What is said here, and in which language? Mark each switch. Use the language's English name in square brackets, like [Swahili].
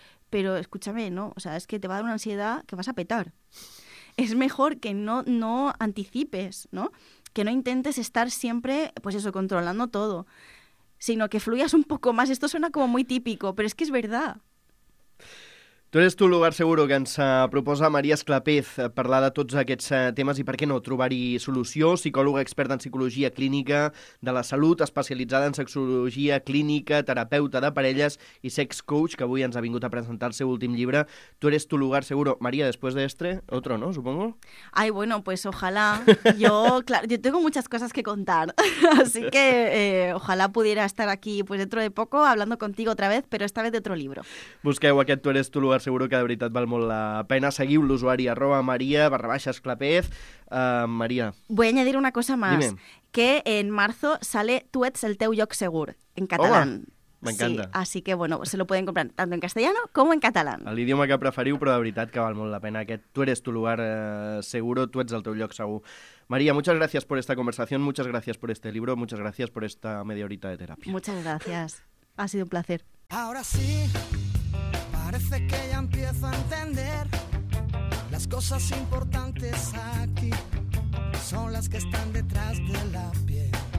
[Spanish] Pero escúchame, ¿no? O sea, es que te va a dar una ansiedad que vas a petar. Es mejor que no anticipes, ¿no? Que no intentes estar siempre, pues eso, controlando todo. Sino que fluyas un poco más. Esto suena como muy típico, pero es que es verdad. [Catalan] Tu eres tu lugar seguro que ens proposa Maria Esclapez parlar de tots aquests temes i, per què no, trobar-hi solució, psicòloga experta en psicologia clínica de la salut, especialitzada en sexologia clínica, terapeuta de parelles i sex coach, que avui ens ha vingut a presentar el seu últim llibre. [Spanish] Tu eres tu lugar seguro. Maria, después de este, otro, ¿no? Supongo. Ay, bueno, pues ojalá. Yo, claro, yo tengo muchas cosas que contar, así que ojalá pudiera estar aquí pues dentro de poco hablando contigo otra vez, pero esta vez de otro libro. [Catalan] Busqueu aquest Tu eres tu lugar seguro, que de veritat val molt la pena. Seguiu l'usuari @maria_esclapez. Maria. [Spanish] Voy a añadir una cosa más. Dime. Que en marzo sale Tu ets el teu lloc segur, en català. [Catalan] Hola. M'encanta. [Spanish] Sí, así que bueno, se lo pueden comprar tanto en castellano como en català. [Catalan] L'idioma que preferiu, però de veritat que val molt la pena aquest Tu eres tu lugar seguro, Tu ets el teu lloc segur. [Spanish] Maria, muchas gracias por esta conversación, muchas gracias por este libro, muchas gracias por esta media horita de terapia. Muchas gracias. Ha sido un placer. Ahora sí. Parece que ya empiezo a entender las cosas importantes aquí, son las que están detrás de la piel.